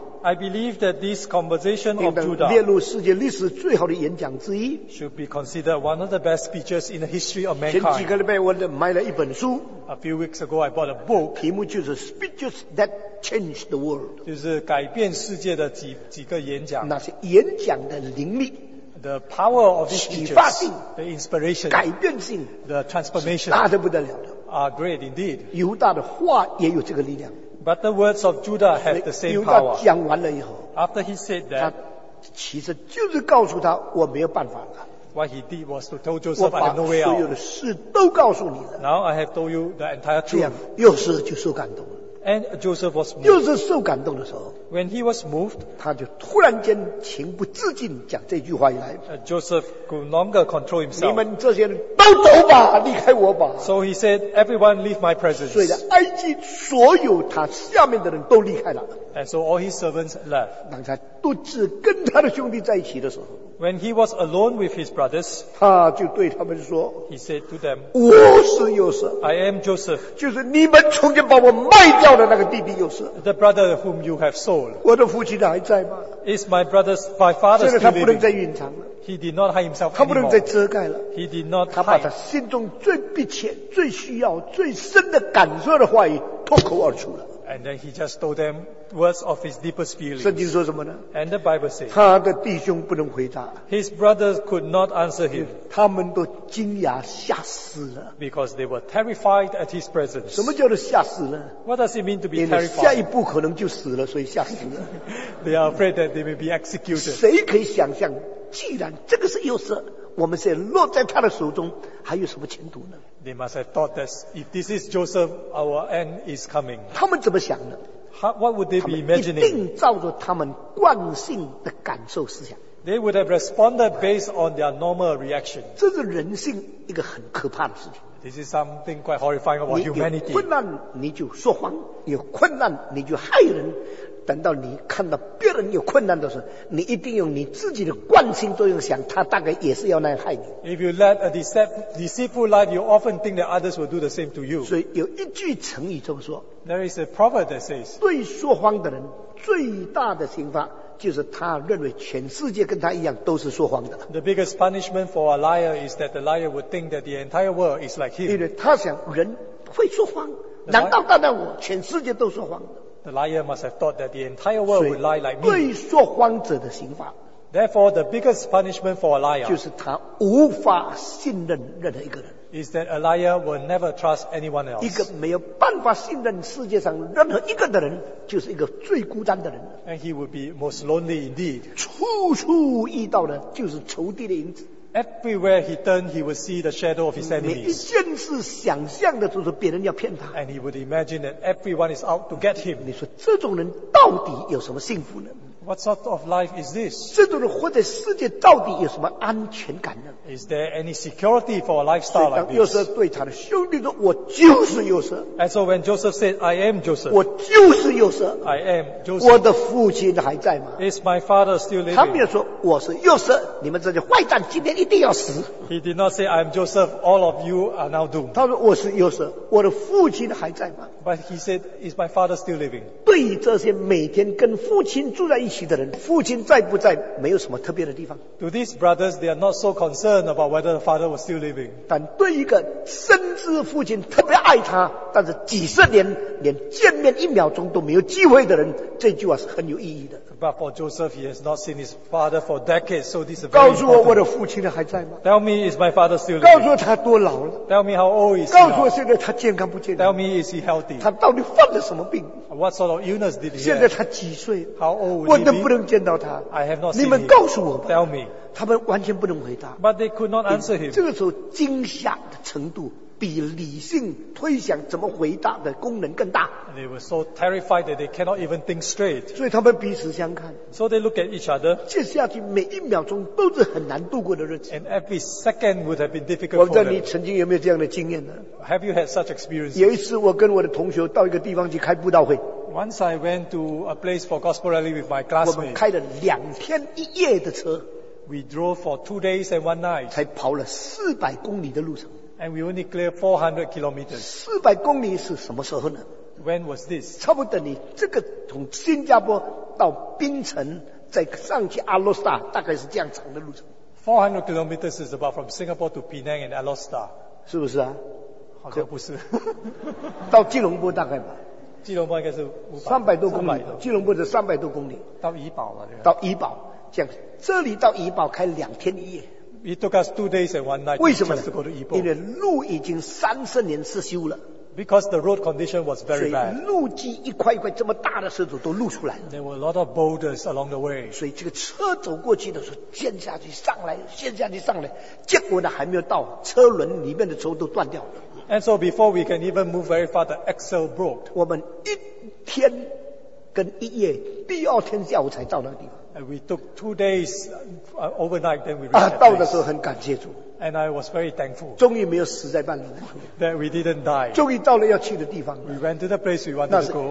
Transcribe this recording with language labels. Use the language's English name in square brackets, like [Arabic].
[English] ，I believe that this conversation of Judah [Chinese] 列入世界历史最好的演讲之一 [English] ，should be considered one of the best speeches in the history of mankind. [Chinese] 前几个礼拜我买了一本书 [English] ，A few weeks ago I bought a book. [Chinese] 题目就是 Speeches That Changed the World. 就是改变世界。世界的 几个演讲，那些演讲的灵力 [English] ，the power of these speeches, [Chinese] 启发性 [English] ，the inspiration， [Chinese] 改变性 [English] ，the transformation， [Chinese] 大得不得了的 [English] ，are great indeed。 [Chinese] 犹大的话也有这个力量 [English] ，but the words of Judah have the same power。 [Chinese] 犹大讲完了以后 [English] ，after he said that， [Chinese] 他其实就是告诉他我没有办法了。 [English] What he did was to tell Joseph, "I have no way out." [Chinese] 我把所有的事都告诉你了。 [English] Now I have told you the entire truth。 [Chinese] 这样又是就受感动。 [English] And Joseph was moved. [Chinese] 又是受感动的时候 [English] ，When he was moved， [Chinese] 他就突然间情不自禁讲这句话以来。 [English] Joseph could longer control himself. [Chinese] 你们这些人都走吧，离开我吧。 [English] So he said, "Everyone leave my presence." [Chinese] 所以呢，埃及所有他下面的人都离开了。 [English] And so all his servants left. [Chinese] 当他独自跟他的兄弟在一起的时候 [English] ，When he was alone with his brothers， [Chinese] 他就对他们说 [English] ，He said to them， [Chinese] 我是约瑟 [English] ，I am Joseph， [Chinese] 就是你们曾经把我卖掉的那个弟弟约瑟 [English] ，The brother whom you have sold， [Chinese] 我的父亲还在吗 [English] ？Is my brother's my father still living？ [Chinese] 现在他不能再隐藏了。 [English] He did not hide himself [Chinese] anymore. 他不能再遮盖了。 [English] He did not hide. [Chinese] 他把他心中最迫切、最需要、最深的感受的话语脱口而出了。 [English] And then he just told them words of his deepest feelings. [Chinese] 圣经说什么呢？ [English] And the Bible says, [Chinese] 他的弟兄不能回答。 [English] His brothers could not answer him. [Chinese] 他们都惊讶吓死了。 [English] Because they were terrified at his presence. [Chinese] 什么叫做吓死了？ [English] What does it mean to be terrified? [Chinese] 下一步可能就死了，所以吓死了。 [English] They are afraid that they may be executed. [Chinese] 谁可以想象，既然这个是约瑟，我们是落在他的手中，还有什么前途呢？ [English] They must have thought that if this is Joseph, our end is coming. [Chinese] 他们怎么想呢？ [English] What would they be imagining? [Chinese] 他们一定照着他们惯性的感受思想。 [English] They would have responded based on their normal reaction. [Chinese] 这是人性一个很可怕的事情。 [English] This is something quite horrifying about humanity. [Chinese] 你有困难你就说谎，有困难你就害人，等到你看到别人有困难的时候，你一定用你自己的惯性作用想，他大概也是要那样害你。 [English] If you lead a deceitful life, you often think that others will do the same to you. [Chinese] 所以有一句成语这么说。 [English] There is a proverb that says, [Chinese] 对说谎的人最大的刑罚就是他认为全世界跟他一样都是说谎的。 [English] The biggest punishment for a liar is that the liar would think that the entire world is like him. [Chinese] 因为他想人会说谎，难道单单我全世界都说谎的？ [English] The liar must have thought that the entire world would lie like me. [Chinese] 对说谎者的刑罚。 [English] Therefore, the biggest punishment for a liar [Chinese] 就是他无法信任任何一个人。 [English] Is that a liar will never trust anyone else. [Chinese] 一个没有办法信任世界上任何一个的人，就是一个最孤单的人。 [English] And he would be most lonely indeed. [Chinese] 处处遇到的就是仇敌的影子。 [English] Everywhere he turned, he would see the shadow of his enemies. [Chinese] 每一件事想象的都是别人要骗他。 [English] And he would imagine that everyone is out to get him. [Chinese] 你说这种人到底有什么幸福呢？ [English] What sort of life is this? [Chinese] 这种人活在世界到底有什么安全感呢？ [English] Is there any security for a lifestyle like this? [Chinese] 所以当约瑟对他的兄弟说，我就是约瑟。 [English] And so when Joseph said, I am Joseph. [Chinese] 我就是约瑟。 [English] I am Joseph. [Chinese] 我的父亲还在吗？ [English] Is my father still living? [Chinese] 他没有说，我是约瑟，你们这些坏蛋今天一定要死。 [English] He did not say, I am Joseph, all of you are now doomed. [Chinese] 他说，我是约瑟，我的父亲还在吗？ [English] But he said, is my father still living? [Chinese] 对于这些每天跟父亲住在一起的人，父亲在不在没有什么特别的地方。 [English] To these brothers, they are not so concerned about whether the father was still living. [Chinese] 但对一个深知父亲特别爱他，但是几十年连见面一秒钟都没有机会的人，这句话是很有意义的。 [English] But for Joseph, he has not seen his father for decades, so this is very [Chinese] 告诉我，我的父亲还在吗？ [English] Tell me, is my father still living? [Chinese] 告诉我他多老了？ [English] Tell me how old is he? [Chinese] 告诉我现在他健康不健康？ [English] Tell me, is he healthy? [Chinese] 他到底犯了什么病？ [English] What sort of illness did he have? [Chinese] 现在他几岁？ [English] How old would he be? [Chinese] 我能不能见到他？ [English] I have not seen [Chinese] him. 你们告诉我吧。 [English] Tell me. [Chinese] 他们完全不能回答。 [English] But they could not answer him. [Chinese] 这个时候惊吓的程度比理性推想怎么回答的功能更大。 [English] They were so terrified that they cannot even think straight. [Chinese] 所以他们彼此相看。 [English] So they look at each other. [Chinese] 接下去每一秒钟都是很难度过的日子。 [English] And every second would have been difficult for them. [Chinese] 我不知道你曾经有没有这样的经验呢？ [English] Have you had such experiences? [Chinese] 有一次我跟我的同学到一个地方去开布道会。 [English] Once I went to a place for gospel rally with my classmates. [Chinese] 我们开了两天一夜的车。 [English] We drove for 2 days and 1 night. [Chinese] 才跑了400公里的路程。 [English] And we only clear 400 kilometers. [Chinese] 400公里是什么时候呢？ [English] When was this? [Chinese] 差不多你这个从新加坡到槟城，再上去阿罗斯塔，大概是这样长的路程。 [English] 400 kilometers is about from Singapore to Penang and Alostar. [Chinese] 是不是啊？好像不是。到吉隆坡大概吧。吉隆坡应该是 300多公里。吉隆坡是300多公里。到怡保了。到怡保，这样这里到怡保开两天一夜。 [English] It took us 2 days and 1 night. [Chinese] 为什么呢？ [English] Just to go to Ipoh. [Chinese] 因为路已经30年失修了。 [English] Because the road condition was very bad. [Chinese] 所以路基一块一块这么大的石头都露出来了。 [English] There were a lot of boulders along the way. [Chinese] 所以这个车走过去的时候，陷下去上来，陷下去上来，结果呢还没有到，车轮里面的轴都断掉了。 [English] And so before we can even move very far, the axle broke. [Chinese] 我们一天跟一夜，第二天下午才到那个地方。 [English] And we took 2 days overnight, then we [Chinese] reached. 到的时候很感谢主。 [English] And I was very thankful. [Chinese] 终于没有死在半路。 [English] That we didn't die. [Chinese] 终于到了要去的地方。 [English] We went to the place we wanted to go.